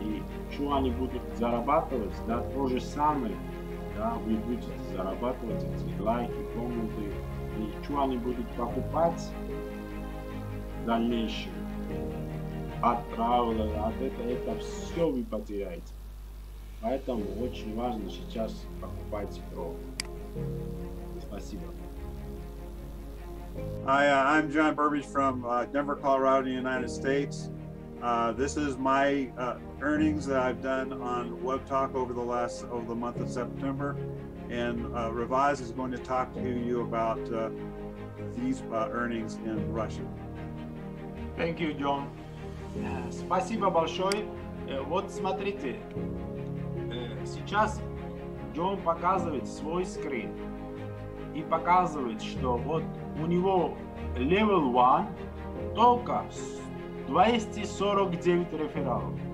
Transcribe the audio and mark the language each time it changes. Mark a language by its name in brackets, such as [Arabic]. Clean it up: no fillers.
[Russian] И что они будут зарабатывать, да, то же самое, да, вы будете зарабатывать эти лайки, комменты, и что они будут покупать, дальнейшем от травла, от этого, это все вы потеряете. Поэтому очень важно сейчас покупать ПРО. Спасибо. [English] Hi, I'm John Burbage from Denver, Colorado, in the United States. This is my earnings that I've done on WebTalk over the month of September. And Revise is going to talk to you about these earnings in Russian. Thank you, John. [Russian] Спасибо большое. Вот смотрите, сейчас John показывает свой screen и показывает, что вот у него level 1 только 249 рефералов.